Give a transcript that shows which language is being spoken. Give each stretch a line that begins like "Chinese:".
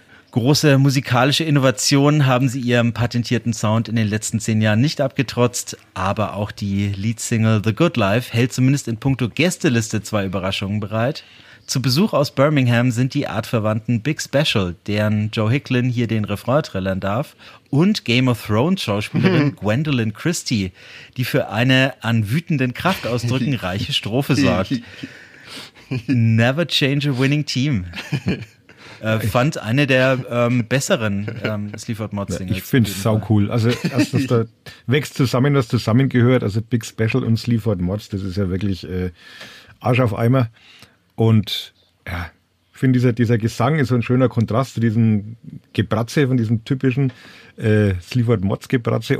German: Große musikalische Innovationen haben sie ihrem patentierten Sound in den letzten 10 Jahren nicht abgetrotzt, aber auch die Lead-Single The Good Life hält zumindest in puncto Gästeliste 2 Überraschungen bereit. Zu Besuch aus Birmingham sind die Artverwandten Big Special, deren Joe Hicklin hier den Refrain trillern darf, und Game of Thrones-Schauspielerin Gwendolyn Christie, die für eine an wütenden Kraftausdrücken reiche Strophe sorgt.
English: Never change a winning team.
German: Fand eine der besseren Sleaford Mod-Singles. Ich finde es saucool. Also erstens, da wächst zusammen, was zusammengehört. Also Big Special und Sleaford Mods, das ist ja wirklich Arsch auf Eimer. Und ja, ich finde, dieser Gesang ist so ein schöner Kontrast zu diesem Gebratze, von diesem typischen Sleaford Mods Gebratze.